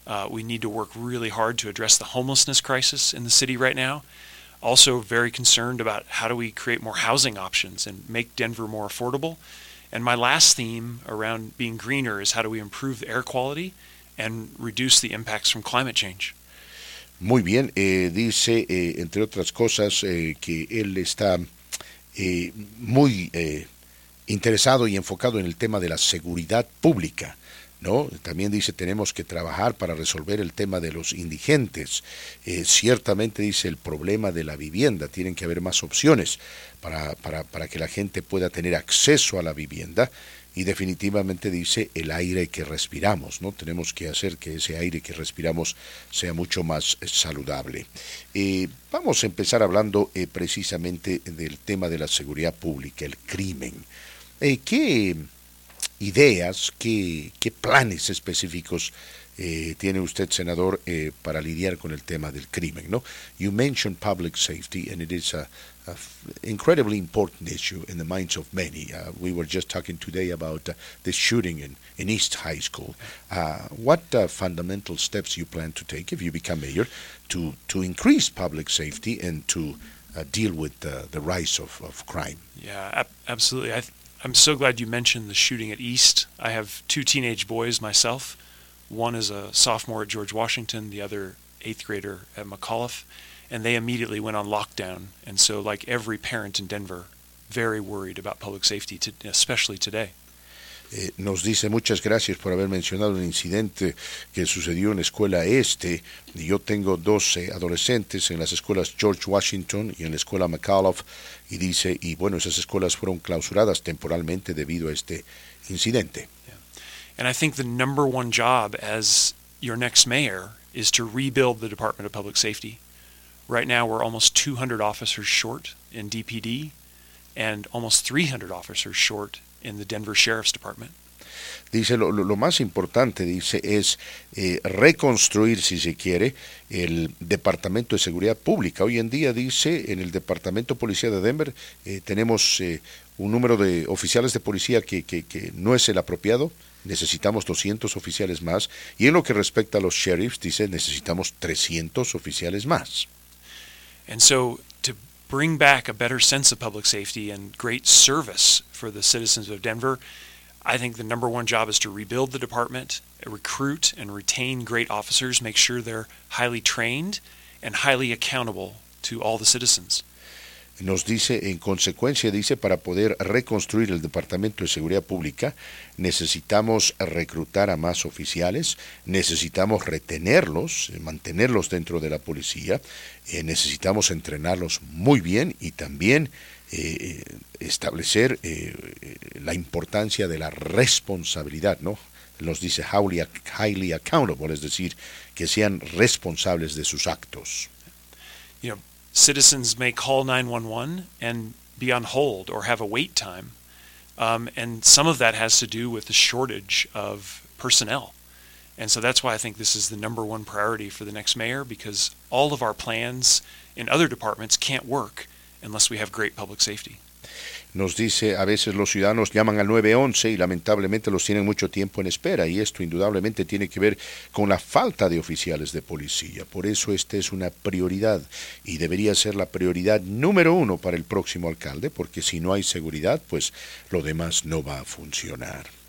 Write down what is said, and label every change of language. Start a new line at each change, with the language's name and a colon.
English: We need to work really hard to address the homelessness crisis in the city right now. Also very concerned about how do we create more housing options and make Denver more affordable. And my last theme around being greener is how do we improve air quality and reduce the impacts from climate change.
Spanish: Muy bien, dice, entre otras cosas, que él está muy interesado y enfocado en el tema de la seguridad pública, ¿no? También dice, tenemos que trabajar para resolver el tema de los indigentes. Ciertamente, dice, el problema de la vivienda, tienen que haber más opciones para que la gente pueda tener acceso a la vivienda. Y definitivamente dice el aire que respiramos, ¿no? Tenemos que hacer que ese aire que respiramos sea mucho más saludable. Vamos a empezar hablando precisamente del tema de la seguridad pública, el crimen. ¿Qué ideas, qué planes específicos tiene usted, senador, para lidiar con el tema del crimen, ¿no?
English: You mentioned public safety, and it is an incredibly important issue in the minds of many. We were just talking today about the shooting in East High School. What fundamental steps you plan to take if you become mayor to increase public safety and to deal with the rise of crime? Yeah, absolutely. I'm so glad you mentioned the shooting at East. I have two teenage boys myself. One is a sophomore at George Washington, the other eighth grader at McAuliffe. And they immediately went on lockdown. And so, like every parent in Denver, very worried about public safety, especially today.
Spanish: Nos dice, muchas gracias por haber mencionado el incidente que sucedió en la escuela este. Yo tengo 12 adolescentes en las escuelas George Washington y en la escuela McAuliffe. Y dice, y bueno, esas escuelas fueron clausuradas temporalmente debido a este incidente.
English: Yeah. And I think the number one job as your next mayor is to rebuild the Department of Public Safety. Right now, we're almost 200 officers short in DPD and almost 300 officers short in the Denver Sheriff's Department.
Spanish: Dice, lo más importante, dice, es reconstruir, si se quiere, el Departamento de Seguridad Pública. Hoy en día, dice, en el Departamento Policía de Denver, tenemos un número de oficiales de policía que no es el apropiado. Necesitamos 200 oficiales más. Y en lo que respecta a los sheriffs, dice, necesitamos 300 oficiales más.
English: And so to bring back a better sense of public safety and great service for the citizens of Denver, I think the number one job is to rebuild the department, recruit and retain great officers, make sure they're highly trained and highly accountable to all the citizens.
Spanish: Nos dice, en consecuencia, dice, para poder reconstruir el Departamento de Seguridad Pública, necesitamos reclutar a más oficiales, necesitamos retenerlos, mantenerlos dentro de la policía, necesitamos entrenarlos muy bien y también establecer la importancia de la responsabilidad, ¿no? Nos dice,
English: highly accountable,
Spanish: es decir, que sean responsables de sus actos.
English: You know, citizens may call 911 and be on hold or have a wait time. And some of that has to do with the shortage of personnel. And so that's why I think this is the number one priority for the next mayor, because all of our plans in other departments can't work unless we have great public safety.
Spanish: Nos dice, a veces los ciudadanos llaman al 911 y lamentablemente los tienen mucho tiempo en espera, y esto indudablemente tiene que ver con la falta de oficiales de policía. Por eso esta es una prioridad y debería ser la prioridad número uno para el próximo alcalde, porque si no hay seguridad, pues lo demás no va a funcionar.